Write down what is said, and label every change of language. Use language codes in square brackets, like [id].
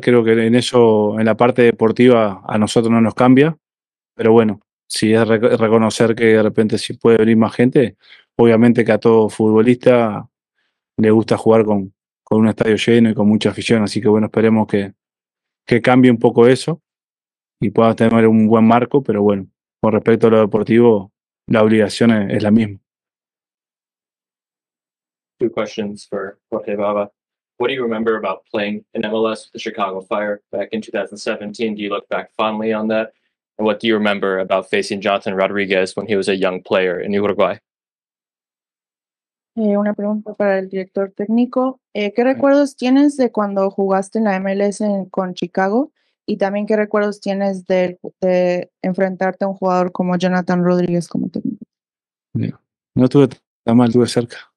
[es] Creo que en eso, en la parte deportiva, a nosotros no nos cambia, pero bueno, si es reconocer que de repente sí puede venir más gente, obviamente que a todo futbolista le gusta jugar con un estadio lleno y con mucha afición, así que bueno, esperemos que cambie un poco eso y pueda tener un buen marco, pero bueno, con respecto a lo deportivo, la obligación es la misma. [en] Two questions for Jorge Baba. What do you remember about playing in MLS with the Chicago Fire back in 2017? Do you look back fondly on that? And what do you remember about facing Jonathan Rodriguez when he was a young player in Uruguay? [es] Una pregunta para el director técnico. ¿Qué recuerdos tienes de cuando jugaste en la MLS con Chicago? Y también, ¿qué recuerdos tienes de enfrentarte a un jugador como Jonathan Rodriguez como técnico? No estuve tan mal, estuve cerca.